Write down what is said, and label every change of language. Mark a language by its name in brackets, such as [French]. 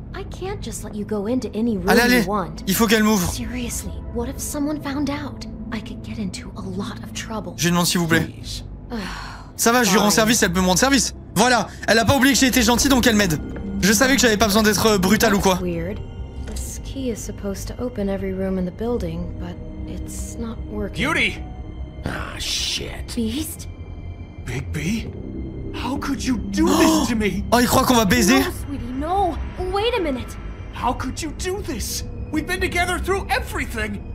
[English] I can't just let you go into any room [French] allez, [English] you want. [French] Il faut qu'elle m'ouvre. [English] Seriously, what if someone found out? I could get into a lot of trouble. [French] Je lui demande s'il vous plaît. [English] Please. [French] Ça va, je lui rends service, elle peut me rendre service. Voilà, elle a pas oublié que j'ai été gentil, donc elle m'aide. Je savais que j'avais pas besoin d'être brutal ou quoi. [English] Weird. This key is supposed to open every room in the building, but it's not working. Beauty. Ah shit. Beast. Big B. How could you do this to me? [French] Oh, il croit qu'on va baiser? [English] No, sweetie, no. Wait a minute. How could you do this? We've been together through everything.